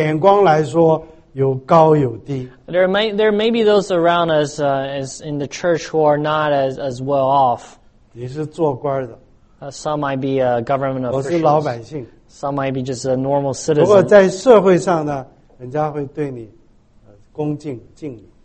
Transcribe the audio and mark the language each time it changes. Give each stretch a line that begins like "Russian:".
Chinese: 教会里面可能有人从人的角眼光来说有高有低。
English: There may be those around us as in the church who are not as well off.
Chinese: 你是做官的。
English: Some might be a government official.
Chinese: 我是老百姓。
English: Some might be just a normal citizen.
Chinese: 如果在社会上呢, 人家会对你, 恭敬, 敬礼。